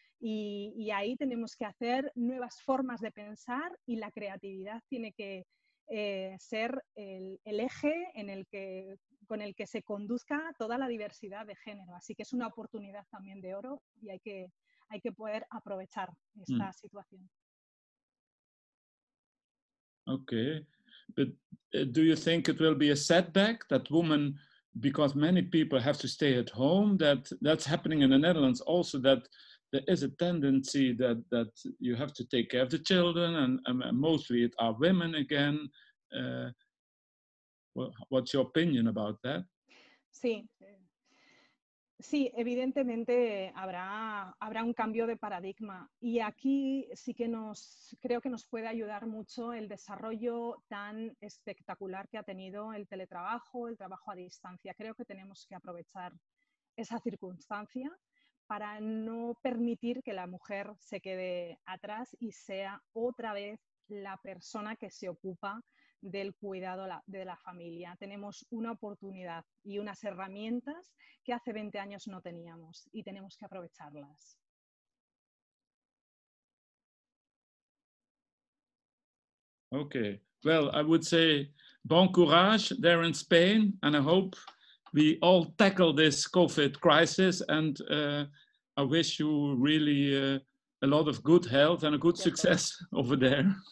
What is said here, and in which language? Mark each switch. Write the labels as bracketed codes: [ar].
[es] Y ahí tenemos que hacer nuevas formas de pensar y la creatividad tiene que ser el eje con el que se conduzca toda la diversidad de género. Así que es una oportunidad también de oro y hay que poder aprovechar esta situación. [en] Okay, but do you think it will be a setback that women, because many people have to stay at home, that's happening in the Netherlands also, that there is a tendency that you have to take care of the children and mostly it are women again. What's your opinion about that? [es] Sí, evidentemente habrá un cambio de paradigma y aquí sí que creo que nos puede ayudar mucho el desarrollo tan espectacular que ha tenido el teletrabajo, el trabajo a distancia. Creo que tenemos que aprovechar esa circunstancia para no permitir que la mujer se quede atrás y sea otra vez la persona que se ocupa del cuidado de la familia. Tenemos una oportunidad y unas herramientas que hace 20 años no teníamos y tenemos que aprovecharlas. [en] Okay, well, I would say [fr] bon courage [en] there in Spain and I hope we all tackle this COVID crisis and I wish you really a lot of good health and a good success over there.